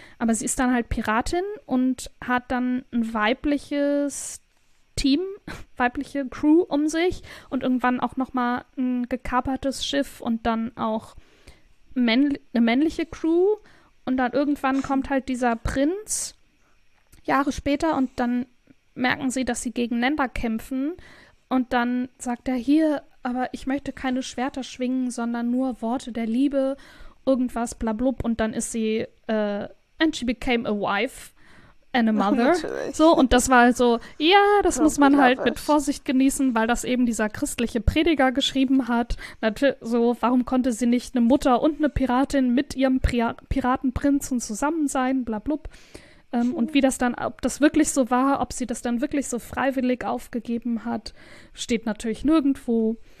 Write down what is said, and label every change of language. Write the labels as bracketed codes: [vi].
[de] Aber sie ist dann halt Piratin und hat dann ein weibliches Team, weibliche Crew um sich und irgendwann auch nochmal ein gekapertes Schiff und dann auch eine männliche Crew. Und dann irgendwann kommt halt dieser Prinz, Jahre später, und dann merken sie, dass sie gegeneinander kämpfen. Und dann sagt er, hier, aber ich möchte keine Schwerter schwingen, sondern nur Worte der Liebe, irgendwas, blablub. Und dann ist sie, [en] and she became a wife and a mother. [de] So, und das war halt so, ja, das muss man halt mit Vorsicht genießen, weil das eben dieser christliche Prediger geschrieben hat. So, warum konnte sie nicht eine Mutter und eine Piratin mit ihrem Piratenprinzen zusammen sein, blablub. Und wie das dann, ob das wirklich so war, ob sie das dann wirklich so freiwillig aufgegeben hat, steht natürlich nirgendwo.